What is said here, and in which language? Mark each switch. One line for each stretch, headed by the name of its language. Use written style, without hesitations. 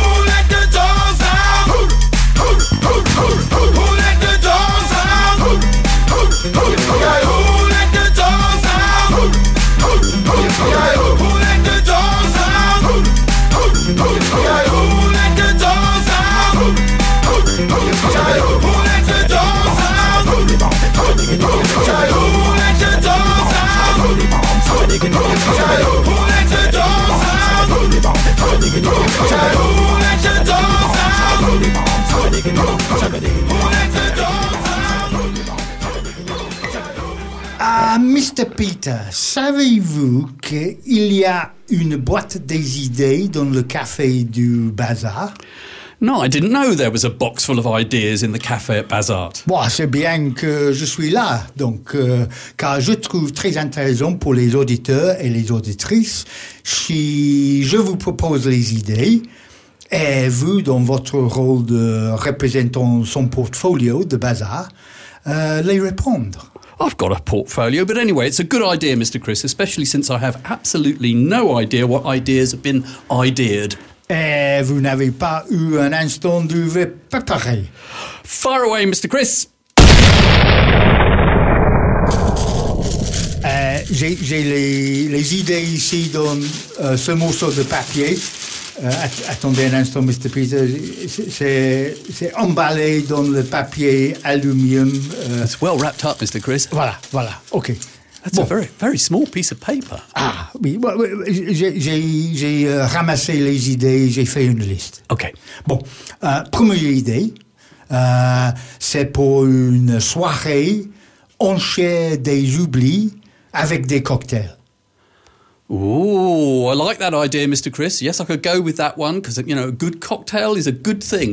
English: Who let your dogs out? Who let your dogs out? Ah, Mr.
French: Peter, savez-vous qu'il y a une boîte des idées dans le café du bazar?
English: No, I didn't know there was a box full of ideas in the café at Bazart.
French: Bon, c'est bien que je suis là, donc, car je trouve très intéressant pour les auditeurs et les auditrices si je vous propose les idées et vous, dans votre rôle de représentant son portfolio de Bazart, les répondre.
English: I've got a portfolio, but anyway, it's a good idea, Mr. Chris, especially since I have absolutely no idea what ideas have been ideared.
French: Et vous n'avez pas eu un instant de vous préparer.
English: Fire away, Mr. Chris.
French: J'ai les idées ici dans ce morceau de papier. Attendez un instant, Mr. Peter. C'est emballé dans le papier aluminium.
English: It's well wrapped up, Mr. Chris.
French: Voilà, voilà. OK.
English: That's bon. A very, very small piece of paper.
French: Ah, oui. J'ai ramassé les idées, j'ai fait une liste. OK. Bon, première idée, c'est pour une soirée en chair des oublis avec des cocktails.
English: Oh, I like that idea, Mr. Chris. Yes, I could go with that one, because, you know, a good cocktail is a good thing.